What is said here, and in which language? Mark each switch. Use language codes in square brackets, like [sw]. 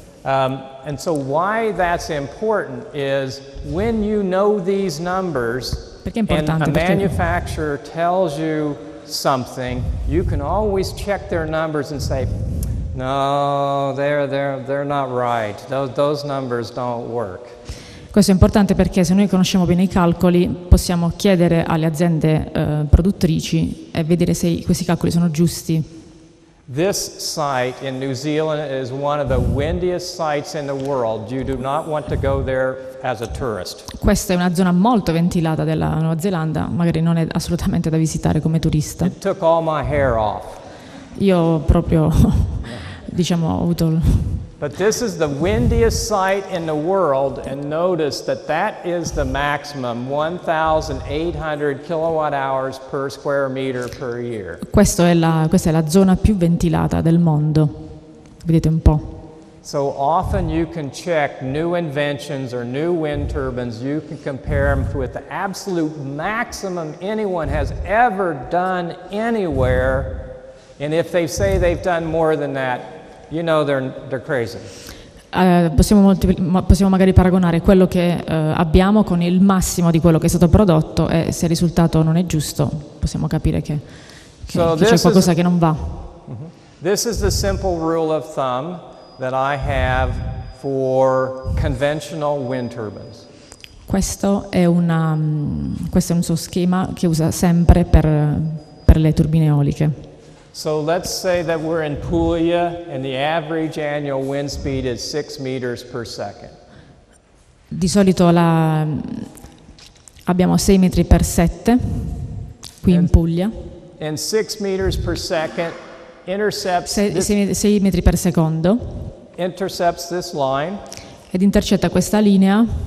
[en] And so why that's important is when you know these numbers and a manufacturer tells you something, you can always check their numbers and say, no, they're not right. Those numbers don't work. [it] Questo è importante perché se noi conosciamo bene i calcoli, possiamo chiedere alle aziende produttrici e vedere se questi calcoli sono giusti. [en] This site in New Zealand is one of the windiest sites in the world. You do not want to go there as a tourist. [it] Questa è una zona molto ventilata della Nuova Zelanda, magari non è assolutamente da visitare come turista. [en] It took all my hair off. [it] Io proprio diciamo ho avuto. [en] But this is the windiest site in the world, and notice that is the maximum 1,800 kilowatt hours per square meter per year. [it] Questa è la zona più ventilata del mondo. Vedete un po'. [en] So often you can check new inventions or new wind turbines, you can compare them with the absolute maximum anyone has ever done anywhere, and if they say they've done more than that, you know they're crazy. [it] Possiamo magari paragonare quello che abbiamo con il massimo di quello che è stato prodotto, e se il risultato non è giusto possiamo capire che c'è qualcosa che non va. [en] This is the simple rule of thumb that I have for conventional wind turbines. [it] Questo è un suo schema che usa sempre per le turbine eoliche. [en] So let's say that we're in Puglia and the average annual wind speed is 6 meters per second. [it] Di solito abbiamo 6 metri per 7 qui in Puglia. [en] And 6 meters per second intercepts [it] 6 metri per secondo. [en] Intercepts this line. [it] Ed intercetta questa linea.